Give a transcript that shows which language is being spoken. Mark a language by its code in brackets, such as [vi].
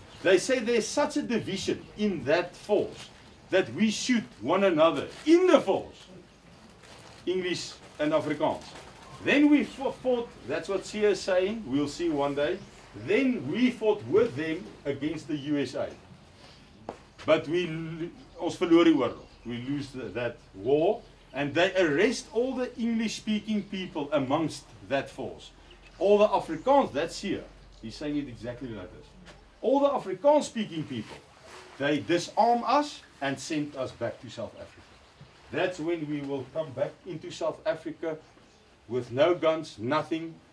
[en] They say there's such a division in that force that we shoot one another in the force. English and Afrikaans. Then we fought, that's what Sia is saying, we'll see one day. Then we fought with them against the USA. But we [af] ons verloor die oorlog. [en] We lose that war. And they arrest all the English-speaking people amongst that force. All the Afrikaans, that's here. He's saying it exactly like this. All the Afrikaans-speaking people, they disarm us and send us back to South Africa. That's when we will come back into South Africa with no guns, nothing.